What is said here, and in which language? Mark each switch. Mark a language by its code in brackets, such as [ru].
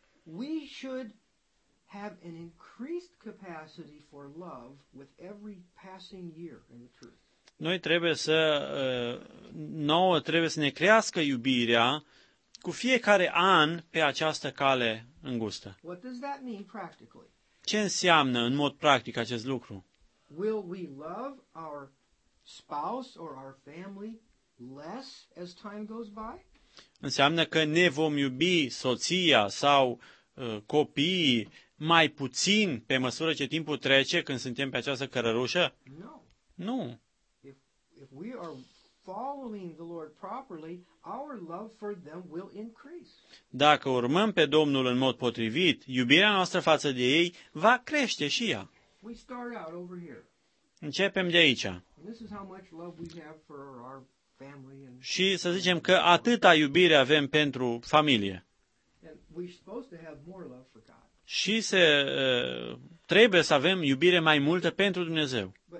[en] We should have an increased capacity for love with every passing year in the truth. [ro] Noi trebuie să nouă trebuie să ne crească iubirea cu fiecare an pe această cale îngustă. [en] What does that mean practically? [ro] Ce înseamnă în mod practic acest lucru? [en] Will we love our spouse or our family less as time goes by? [ro] Înseamnă că ne vom iubi soția sau copiii mai puțin pe măsură ce timpul trece când suntem pe această cărărușă? Nu. Nu. [en] If we are following the Lord properly, our love for them will increase. [ro] Dacă urmăm pe Domnul în mod potrivit, iubirea noastră față de ei va crește și ea. [en] We start out over here. [ro] Începem de aici. [en] And this is how much love we have for our family and... [ro] Și să zicem că atâta iubire avem pentru familie. [en] And we're supposed to have more love for God. [ro] Și se trebuie să avem iubire mai multă pentru Dumnezeu.